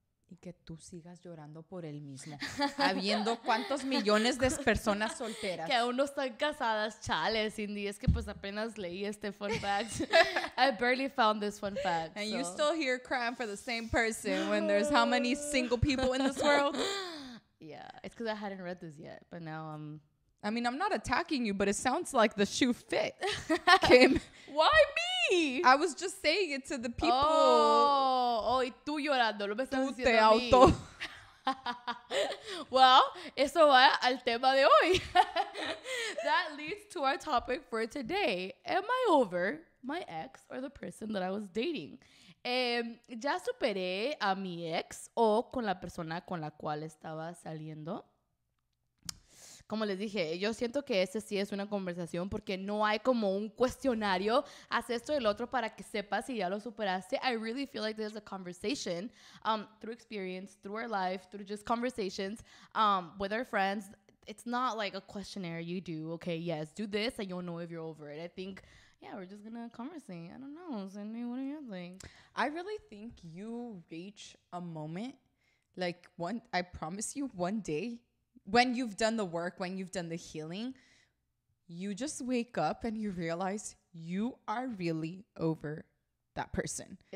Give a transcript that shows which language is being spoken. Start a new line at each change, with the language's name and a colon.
Spanish: Y que tú sigas llorando por él mismo. Habiendo cuántos millones de personas solteras. Que aún no están casadas, chales, Cindy. Es que pues apenas leí este fun fact.
English: I barely found this fun fact. And so. You still here crying for the same person when there's how many single people in this world? Yeah, it's because I hadn't read this yet, but now I'm... I mean, I'm not attacking you, but it sounds like the shoe fit, Kim. Why me? I was just saying it to the people.
Spanish: Oh, y tú llorando, lo me estás diciendo te a auto. Mí.
English: Well,
Spanish: eso va al tema de hoy.
English: That leads to our topic for today. Am I over my ex or the person that I was dating?
Spanish: ¿Ya superé a mi ex o con la persona con la cual estaba saliendo? Como les dije, yo siento que ese sí es una conversación porque no hay como un cuestionario. Haz esto y el otro para que sepas si ya lo superaste.
English: I really feel like there's a conversation through experience, through our life, through just conversations with our friends. It's not like a questionnaire you do. Okay, yes, do this and you'll know if you're over it. I think, yeah, we're just going to converse. I don't know. Cindy, what do you think? I really think you reach a moment, like one, I promise you one day, when you've done the work, when you've done the healing, you just wake up and you realize you are really over that person.